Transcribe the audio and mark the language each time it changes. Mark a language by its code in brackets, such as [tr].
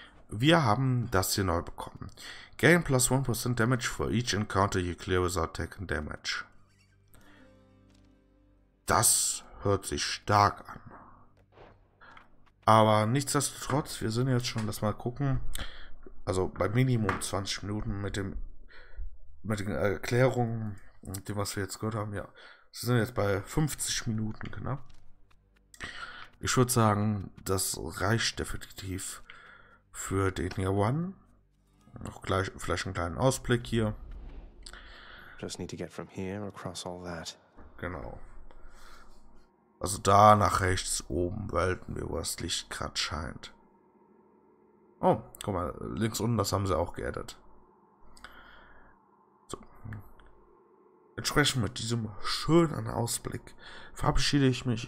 [de] Wir haben das hier neu bekommen. [en] Gain plus 1% Damage for each encounter you clear without taking damage. [de] Das hört sich stark an. Aber nichtsdestotrotz, wir sind jetzt schon, lass mal gucken. Also bei Minimum 20 Minuten mit den Erklärungen, mit dem, was wir jetzt gehört haben, ja. Wir sind jetzt bei 50 Minuten knapp. Ich würde sagen, das reicht definitiv für den Year One. Auch gleich vielleicht einen kleinen Ausblick hier. [en] Just need to get from here across all that. [de] Genau. Also da nach rechts oben wollten wir, wo das Licht gerade scheint. Oh, guck mal, links unten, das haben sie auch geaddet. So. Entsprechend mit diesem schönen Ausblick verabschiede ich mich.